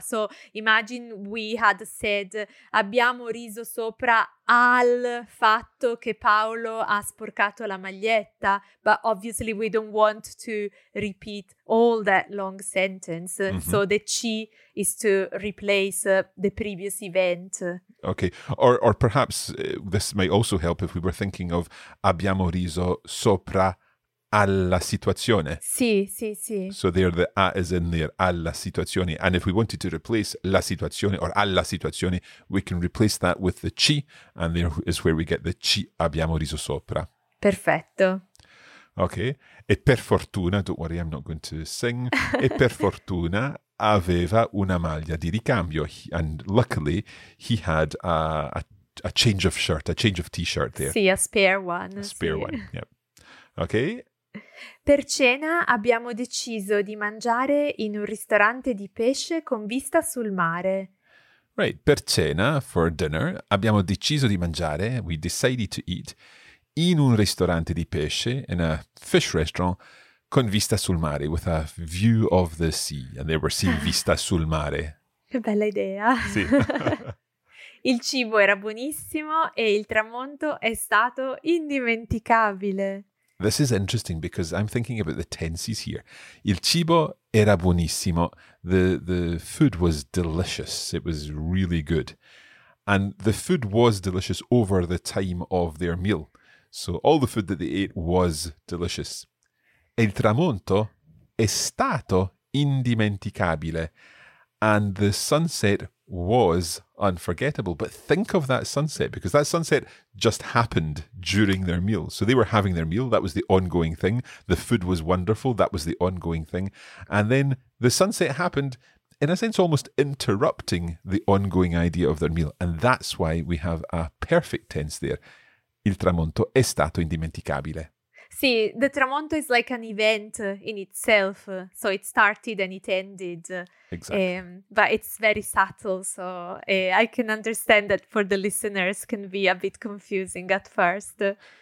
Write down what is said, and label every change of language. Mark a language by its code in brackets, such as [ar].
[en] So, imagine we had said, [it] abbiamo riso sopra al fatto che Paolo ha sporcato la maglietta, [en] but obviously we don't want to repeat all that long sentence. Mm-hmm. So the ci is to replace the previous event. Okay, or perhaps this might also help if we were thinking of [it] abbiamo riso sopra alla situazione. Sì, sì, sì. [en] So there the a is in there, [it] alla situazione. [en] And if we wanted to replace la situazione or [it] alla situazione, [en] we can replace that with the ci, and there is where we get the [it] ci abbiamo riso sopra. Perfetto. [en] Okay. [it] E per fortuna, [en] don't worry, I'm not going to sing. [it] E per fortuna aveva una maglia di ricambio. [en] And luckily, he had a change of shirt, a change of t-shirt there. Sì, a spare one. A spare [it] sì. [en] one, yep. Okay. [it] Per cena abbiamo deciso di mangiare in un ristorante di pesce con vista sul mare. [en] Right, [it] per cena, [en] for dinner, [it] abbiamo deciso di mangiare, [en] we decided to eat, [it] in un ristorante di pesce, [en] in a fish restaurant, [it] con vista sul mare, [en] with a view of the sea, and there were seeing [it] vista sul mare. Che bella idea. Sì. Il cibo era buonissimo e il tramonto è stato indimenticabile. [en] This is interesting because I'm thinking about the tenses here. [it] Il cibo era buonissimo. [en] The food was delicious. It was really good. And the food was delicious over the time of their meal. So all the food that they ate was delicious. [it] Il tramonto è stato indimenticabile. [en] And the sunset was unforgettable. But think of that sunset, because that sunset just happened during their meal. So they were having their meal. That was the ongoing thing. The food was wonderful. That was the ongoing thing. And then the sunset happened, in a sense, almost interrupting the ongoing idea of their meal. And that's why we have a perfect tense there. [it] Il tramonto è stato indimenticabile. [en] Sì, the tramonto is like an event in itself, so it started and it ended. Exactly. But it's very subtle, so I can understand that for the listeners can be a bit confusing at first.